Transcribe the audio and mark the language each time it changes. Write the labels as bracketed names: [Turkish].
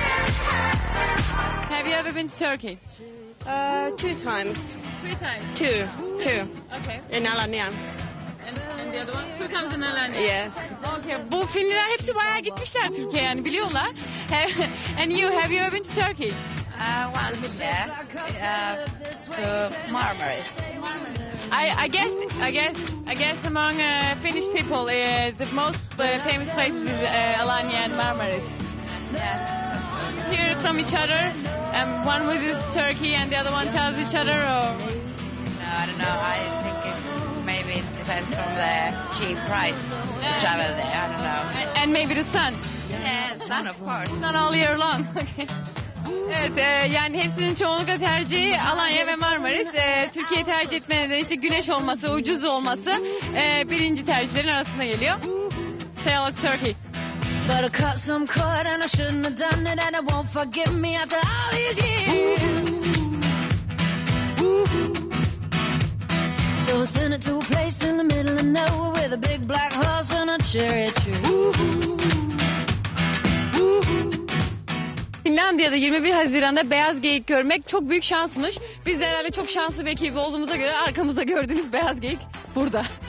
[English] Have you ever been to Turkey? Two times. Three times? Two. Okay. In Alanya. And the other one? Two times in Alanya. Yes. Okay. [Turkish] Bu Finliler hepsi bayağı gitmişler Türkiye, yani biliyorlar. [English] And you, have you ever been to Turkey? Once there. To Marmaris. I guess among Finnish people, the most famous places is Alanya and Marmaris. Yeah. Hear it from each other. And one with his turkey and the other one tells each other, or? No, I don't know. I think maybe it depends from the cheap price to travel there. I don't know. And maybe the sun. Yeah, sun of course. Not all year long. Okay. [Turkish] Evet, yani hepsinin çoğunlukla tercihi Alanya ve Marmaris. Türkiye tercih etme nedeni işte güneş olması, ucuz olması birinci tercihlerin arasında geliyor. [English] Sail of Turkey. But I cut some cord and I shouldn't have done it, and it won't forgive me after all these years. Ooh. Ooh. So I sent it to a place in the middle of nowhere with a big black horse and a cherry tree. [Turkish] Finlandiya'da 21 Haziran'da beyaz geyik görmek çok büyük şansmış. Biz de herhalde çok şanslı bir ekibi olduğumuza göre arkamızda gördüğünüz beyaz geyik burada.